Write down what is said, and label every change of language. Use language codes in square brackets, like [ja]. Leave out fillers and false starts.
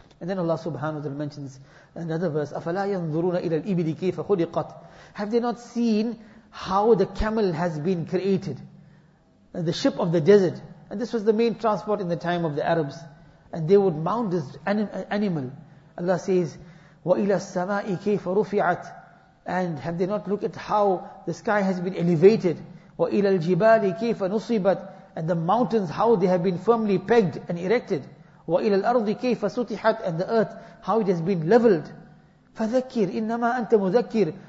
[en] And then Allah subhanahu wa ta'ala mentions another verse, [ar] أَفَلَا يَنْظُرُونَ إِلَى الْإِبِلِ كَيْفَ خُلِقَتْ. [en] Have they not seen how the camel has been created? And the ship of the desert. And this was the main transport in the time of the Arabs. And they would mount this animal. Allah says, [ar] وَإِلَى السَّمَاءِ كَيْفَ رُفِعَتْ. [en] And have they not looked at how the sky has been elevated? [ar] وَإِلَى الْجِبَالِ كَيْفَ نُصِبَتْ. [en] And the mountains, how they have been firmly pegged and erected. [ar] وَإِلَى الْأَرْضِ كَيْفَ سُتِحَتْ. [en] And the earth, how it has been leveled. [ar] فَذَكِّرْ إِنَّمَا أَنْتَ مُذَكِّرْ.